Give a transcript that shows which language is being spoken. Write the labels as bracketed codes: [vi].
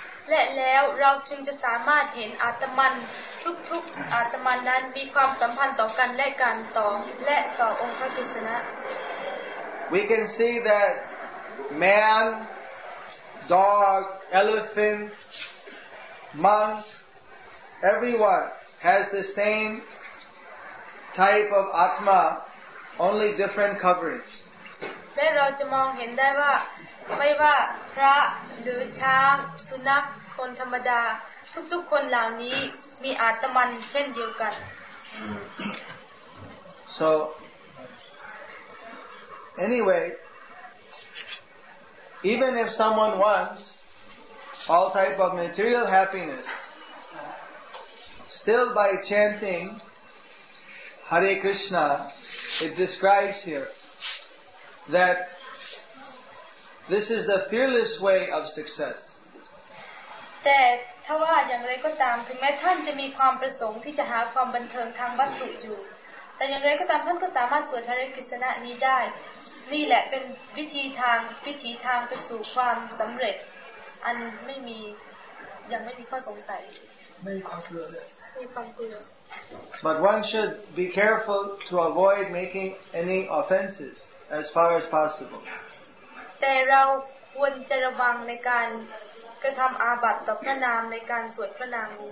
[th] และแล้วเราจึงจะสามารถเห็นอาตมันทุกๆอาตมันนั้นมีความสัมพันธ์ต่อกันและกันต่อและต่อองค์พระกฤษณะ [en] We can see that man, dog, elephant, monk, everyone has the same type of atma, only different coverings. [th] และเราจะมองเห็นได้ว่าไม่ว่าพระหรือช้างสุนัขคนธรรมดาทุกๆคนเหล่านี้มีอาตมันเช่นเดียวกัน [en] So anyway even if someone wants all type of material happiness still by chanting Hare Krishna it describes here that this is the fearless way of success [th] แต่ ถ้าว่าอย่างไรก็ตามถึงแม้ท่านจะมีความประสงค์ที่จะหาความบันเทิงทางวัตถุอยู่แต่อย่างไรก็ตามท่านก็สามารถสวดฮริกฤษณะนี้ได้นี่แหละเป็นวิธีทางวิธีทางไปสู่ความสำเร็จอันไม่มียังไม่มีข้อสงสัย ไม่ความเกลือเลย [en] But one should be careful to avoid making any offenses as far as possible. [th] แต่เราควรจะระวังในการกระทำอาบัติต่อพระนามในการสวดพระนามนี